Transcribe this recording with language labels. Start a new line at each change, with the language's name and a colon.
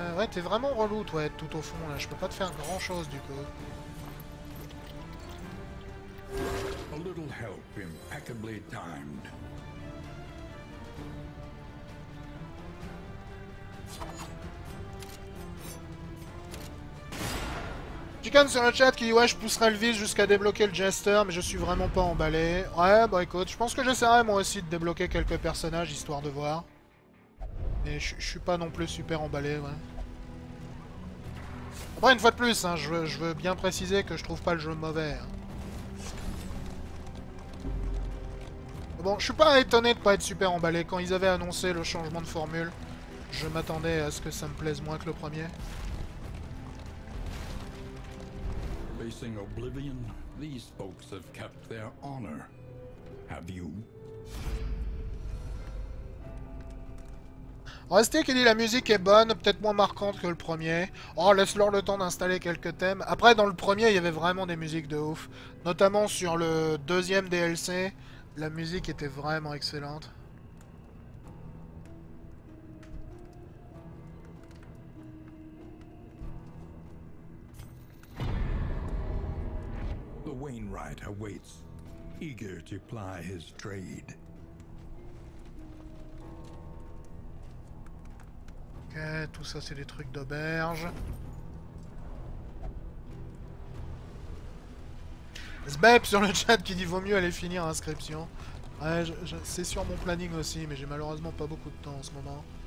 French: T'es vraiment relou toi, être tout au fond là, je peux pas te faire grand chose du coup.
English: A little help impeccably timed.
French: Chicken sur le chat qui dit ouais, je pousserai le vice jusqu'à débloquer le jester, mais je suis vraiment pas emballé. Ouais, bah écoute, je pense que j'essaierai moi aussi de débloquer quelques personnages histoire de voir. Mais je suis pas non plus super emballé, ouais. Ouais, une fois de plus, hein, je veux bien préciser que je trouve pas le jeu mauvais. Bon, je suis pas étonné de pas être super emballé. Quand ils avaient annoncé le changement de formule, je m'attendais à ce que ça me plaise moins que le premier.
English: Facing oblivion, these folks have kept their honor. Have you?
French: Restez qui dit la musique est bonne, peut-être moins marquante que le premier. Oh, laisse-leur le temps d'installer quelques thèmes. Après, dans le premier, il y avait vraiment des musiques de ouf. Notamment sur le deuxième DLC, la musique était vraiment excellente.
English: The Wainwright awaits, eager to ply his trade.
French: Ok, tout ça c'est des trucs d'auberge. Zbep sur le chat qui dit vaut mieux aller finir l'inscription. Ouais, c'est sur mon planning aussi, mais j'ai malheureusement pas beaucoup de temps en ce moment.